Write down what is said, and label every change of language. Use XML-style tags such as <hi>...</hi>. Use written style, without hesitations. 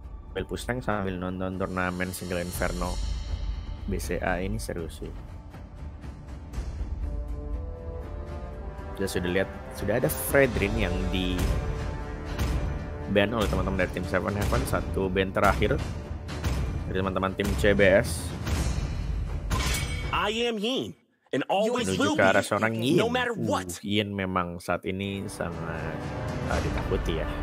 <id>Sambil push rank sambil nonton turnamen Single Inferno BCA ini seru sih. Kita sudah lihat sudah ada Fredrin yang di ban oleh teman-teman dari tim Seven Heaven, satu ban terakhir dari teman-teman tim CBS.</id> <en>I am Yin and always will be.</en> <id>Arah seorang</id> <en>Yin. No matter what.</en> <id>Yin memang saat ini sangat ditakuti ya.</id>